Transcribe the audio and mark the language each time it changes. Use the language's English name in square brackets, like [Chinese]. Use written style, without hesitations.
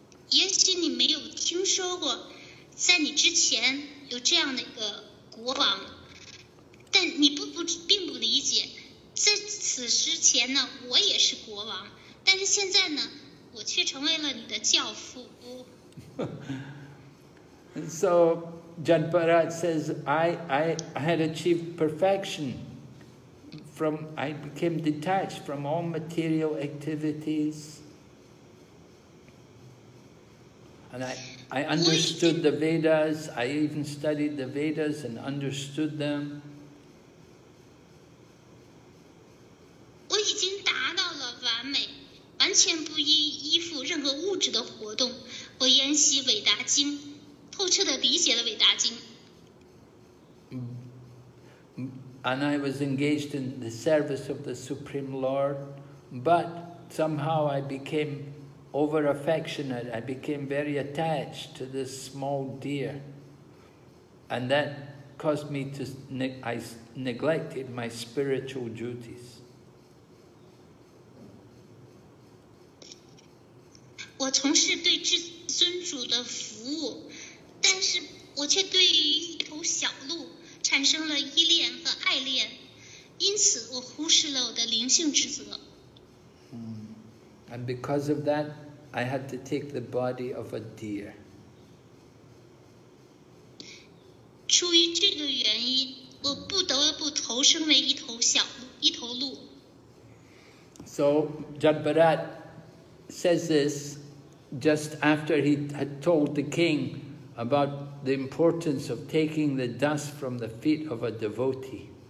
[Chinese] 也许你没有听说过在你之前有这样的一个国王，但你并不理解，在此之前呢，我也是国王，但是现在呢，我却成为了你的教父。 [English] And so, Janbharat says, I had achieved perfection. I became detached from all material activities. And I understood the Vedas. I even studied the Vedas and understood them. [Chinese] 我已经达到了完美，完全不依附任何物质的活动。我研习伟达经，透彻地理解了伟达经。 [English] And I was engaged in the service of the Supreme Lord, but somehow I became. Over affectionate, I became very attached to this small deer, and that caused me to I neglected my spiritual duties. [Chinese] 我从事对至尊主的服务，但是我却对于一头小鹿产生了依恋和爱恋，因此我忽视了我的灵性职责。 [English] And because of that. I had to take the body of a deer. [Chinese] 出于这个原因，我不得不投生为一头鹿。 [English] So Jadbharat says this just after he had told the king about the importance of taking the dust from the feet of a devotee.